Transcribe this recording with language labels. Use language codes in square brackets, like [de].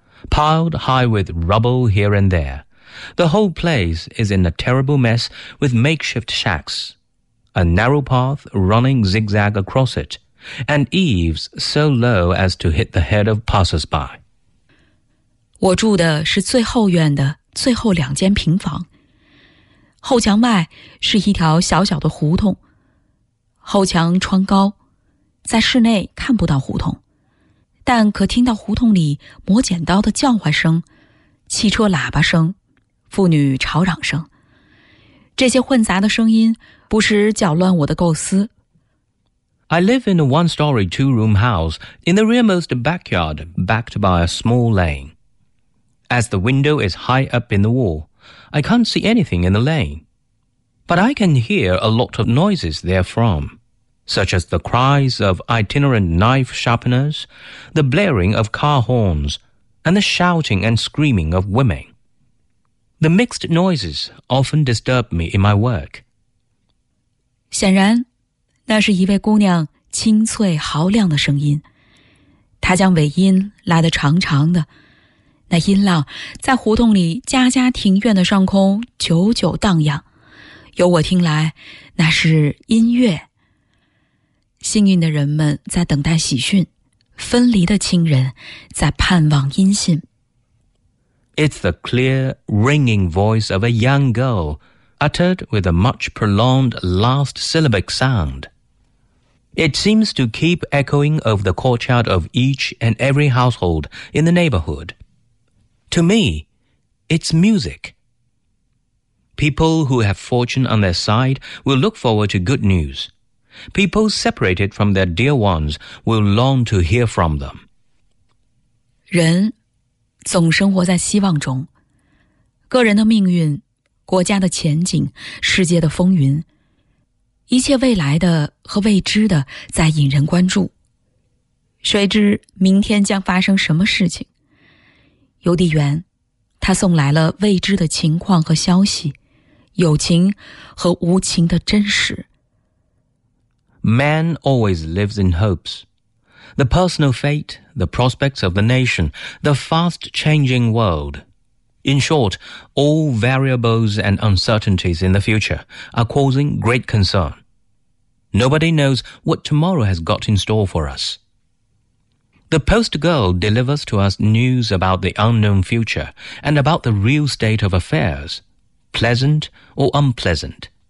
[en] Piled high with rubble here and there, the whole place is in a terrible mess with makeshift shacks, a narrow path running zigzag across it, and eaves so low as to hit the head of passers-by. [zh] 我住的是最后院的最后两间平房。后墙外是一条小小的胡同，后墙窗高，在室内看不到胡同，但可听到胡同里磨剪刀的叫唤声、汽车喇叭声、妇女吵嚷声，这些混杂的声音不时搅乱我的构思。 [en] I live in a one-story two-room house in the rearmost backyard backed by a small lane. As the window is high up in the wall,I can't see anything in the lane, but I can hear a lot of noises therefrom, such as the cries of itinerant knife sharpeners, the blaring of car horns, and the shouting and screaming of women. The mixed noises often disturb me in my work. [zh] 显然，那是一位姑娘清脆嘹亮的声音，她将尾音拉得长长的，那音浪在胡同里家家庭院的上空久久荡漾，由我听来，那是音乐。幸运的人们在等待喜讯，分离的亲人在盼望音信。 [en] It's the clear, ringing voice of a young girl, uttered with a much prolonged last syllabic sound. It seems to keep echoing over the courtyard of each and every household in the neighborhood. To me, it's music. People who have fortune on their side will look forward to good news. People separated from their dear ones will long to hear from them. [zh] 人总生活在希望中，个人的命运、国家的前景、世界的风云，一切未来的和未知的在引人关注。谁知明天将发生什么事情？邮递员，他送来了未知的情况和消息，有情和无情的真实。 [en] Man always lives in hopes. the personal fate, the prospects of the nation, the fast-changing world. In short, all variables and uncertainties in the future are causing great concern. Nobody knows what tomorrow has got in store for us. The Post Girl delivers to us news about the unknown future and about the real state of affairs, pleasant or unpleasant.